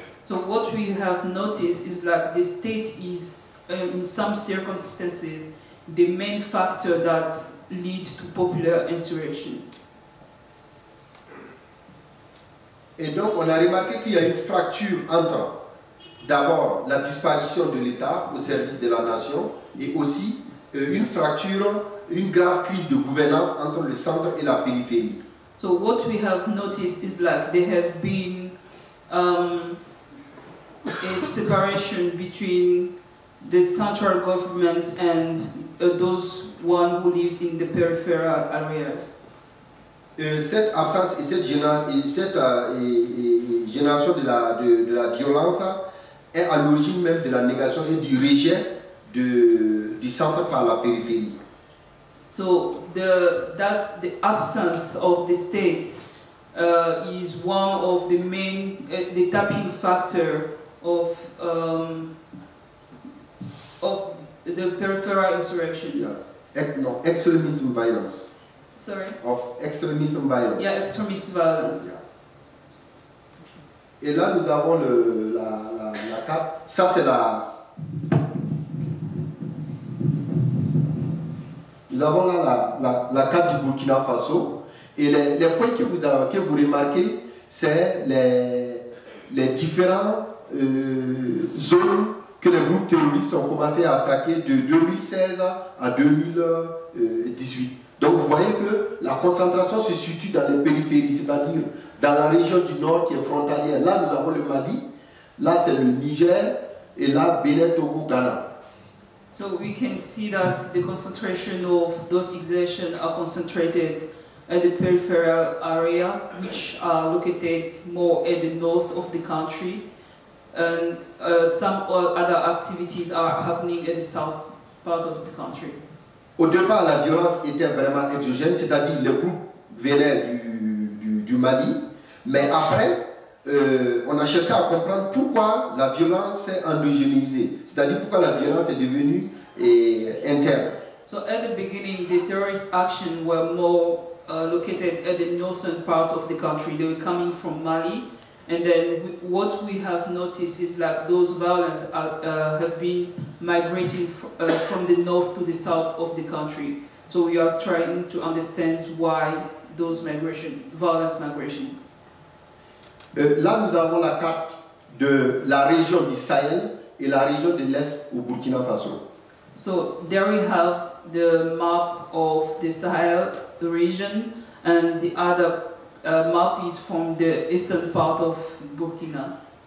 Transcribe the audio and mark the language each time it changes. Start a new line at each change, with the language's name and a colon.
English: So what we have noticed is that the state is, in some circumstances, the main factor that leads to popular insurrections.
French: Et donc on a remarqué qu'il y a une fracture entre d'abord la disparition de l'État au service de la nation et aussi une fracture, une grave crise de gouvernance entre le centre et la périphérie.
English: So what we have noticed is that there have been a separation between the central government and those one who lives in the peripheral areas.
French: Cette absence et cette génération de la violence est à l'origine même de la négation et du rejet du centre par la périphérie.
English: So the absence of the state is one of the main the tapping factor of the peripheral insurrection. Extremism violence. Sorry? Of extremism violence. Yeah, extremist violence. Yeah.
French: Et là nous avons la carte. Ça c'est la. Nous avons là la carte du Burkina Faso. Et les points que vous remarquez, c'est les différents zones que les groupes terroristes ont commencé à attaquer de 2016 à 2018. Donc vous voyez que la concentration se situe dans les périphéries, c'est-à-dire dans la région du nord qui est frontalière. Là nous avons le Mali, là c'est le Niger et là Bénin, Togo, Ghana.
English: So we can see that the concentration of those exertions are concentrated at the peripheral area, which are located more at the north of the country. And some other activities are happening in the south part of the country.
French: Au départ, la violence était vraiment exogène, c'est-à-dire les groupes venaient du Mali. Mais après, on a cherché à comprendre pourquoi la violence s'est endogénisée, c'est-à-dire pourquoi la violence est devenue interne.
English: So at the beginning, the terrorist actions were more located at the northern part of the country. They were coming from Mali. And then what we have noticed is that those violence have been migrating from the north to the south of the country. So we are trying to understand why those violent migrations.
French: Là nous avons la carte de la région du Sahel et la région de l'Est au Burkina Faso.
English: So there we have the map of the Sahel region and the other map is from the eastern part of Burkina.